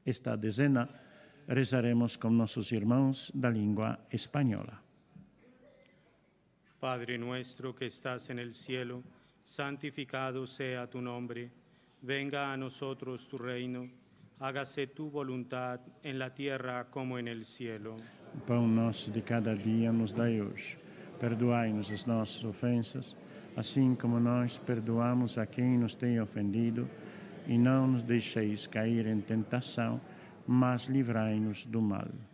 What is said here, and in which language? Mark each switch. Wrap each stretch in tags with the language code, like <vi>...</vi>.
<pt>Esta dezena rezaremos com nossos irmãos da língua espanhola.</pt> <es>Padre nuestro que estás en el cielo, santificado sea tu nombre. Venga a nosotros tu reino. Hágase tu voluntad en la tierra como en el cielo.</es> <pt>Pão nosso de cada dia nos dai hoje. Perdoai-nos as nossas ofensas, assim como nós perdoamos a quem nos tem ofendido, e não nos deixeis cair em tentação, mas livrai-nos do mal.</pt>